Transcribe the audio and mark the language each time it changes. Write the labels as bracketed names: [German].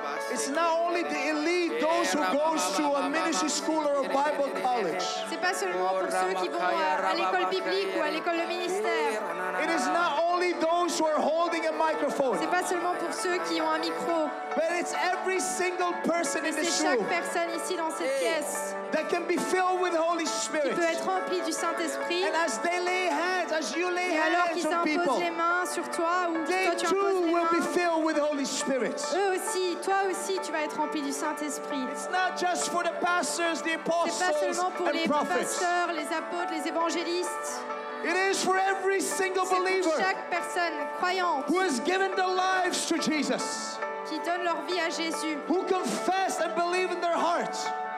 [English] It's not only the elite, those who go to a ministry school or a Bible college. [French] C'est pas seulement pour ceux qui vont à l'école biblique ou à l'école de ministère. [English] It is not only those who are holding a microphone. [French] C'est pas seulement pour ceux qui ont un micro. [English] But it's every single person in this room. [French] C'est chaque personne ici dans cette pièce. [English] That can be filled with the Holy Spirit. [French] Qui peut être rempli du Saint-Esprit. [English] And as they lay hands, as you lay hands on people. [French] Et alors qu'ils imposent les mains sur toi ou que toi tu imposes les mains. [English] They too will be filled with the Holy Spirit. [French] Eux aussi, toi aussi, tu vas être rempli du Saint-Esprit. [English] It's not just for the pastors, the apostles, and prophets. [French] C'est pas seulement pour les [English] prophets. [French] Pasteurs, les apôtres, les évangélistes. [English] It is for every single believer. [French] C'est pour chaque personne croyante. [English] Who has given their lives to Jesus. [French] Qui donnent leur vie à Jésus. [English] Who confess and believe in their hearts.